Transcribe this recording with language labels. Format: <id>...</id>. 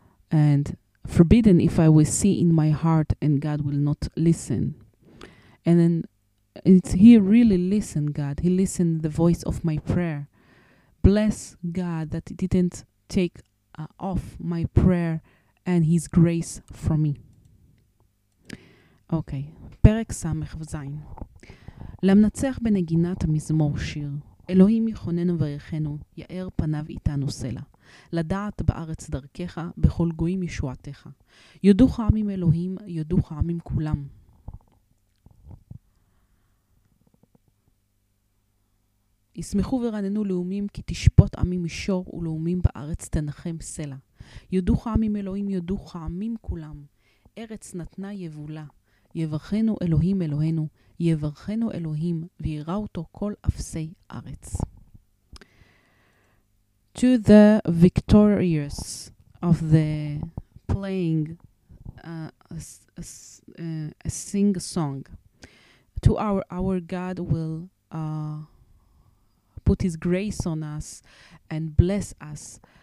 <en>And forbidden if I will see in my heart, and God will not listen. And then it's, he really listened, God. He listened the voice of my prayer. Bless God that he didn't take off my prayer and his grace from me.</en> <he>Okay. פרק סמך וזיין. למנצח בנגינת המזמור שיר, אלוהים יכוננו וירחנו, יאר פניו איתנו סלע. לדעת בארץ דרכך, בכל גויים ישועתך. יודוך עמים אלוהים, יודוך עמים כולם. ישמחו ורננו לאומים, כי תשפוט עמים מישור ולאומים בארץ תנחם סלע. יודוך עמים אלוהים, יודוך עמים כולם. ארץ נתנה יבולה. יברכנו אלוהים אלוהינו, יברכנו אלוהים, ויראה אותו כל אפסי ארץ.</he> <en>To the victorious of the playing a sing a song, to our God will put his grace on us and bless us.</en>